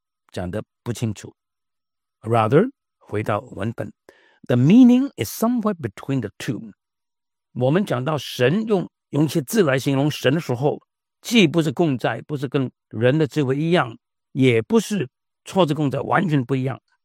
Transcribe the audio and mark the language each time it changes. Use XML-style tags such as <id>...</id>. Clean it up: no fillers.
<zh>讲得不清楚。</zh> <en>Rather,</en> <zh>回到文本，</zh> <en>the meaning is somewhere between the two.</en> <zh>我们讲到神用一些字来形容神的时候，既不是共在，不是跟人的智慧一样，也不是错字共在，完全不一样。</zh>